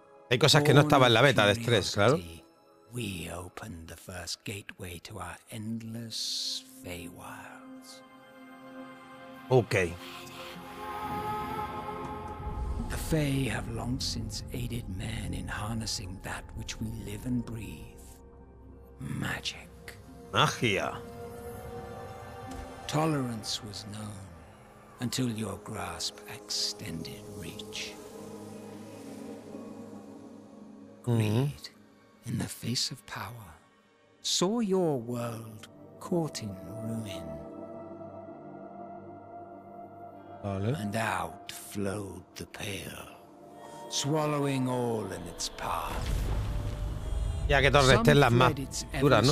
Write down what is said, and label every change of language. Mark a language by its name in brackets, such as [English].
[Spanish] Hay cosas que no estaban en la beta de estrés, claro. [English] We opened the first gateway to our endless Feywilds. Okay. The Fey have long since aided man in harnessing that which we live and breathe. Magic. Magia. Tolerance was known until your grasp extended reach. Greed. In the face of power, saw your world caught in ruin. [Spanish] Vale. [English] And out flowed the pale, swallowing all in its path. [Spanish] Ya que todo esté en las más duras, ¿no?